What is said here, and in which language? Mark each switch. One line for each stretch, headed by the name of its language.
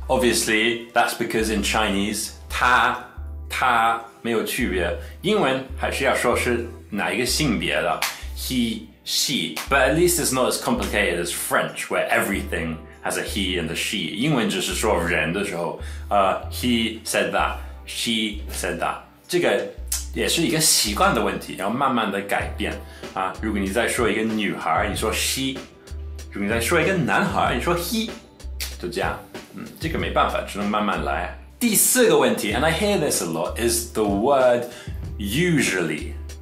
English: Obviously, that's because in Chinese,
Chinese: 他, 他没有区别, 英文还是要说是哪一个性别的,
English: he,She, but at least it's not as complicated as French, where everything has a he and a she.
Chinese: 英文就是说人的时候
English: he said that, she said that.
Chinese: 这个也是一个习惯的问题，要慢慢的改变啊。如果你再说一个女孩，你说 she. 如果你再说一个男孩，你说 he. 就这样，这个没办法，只能慢慢来。第四个问题
English: ，and I hear this a lot, is the word usually.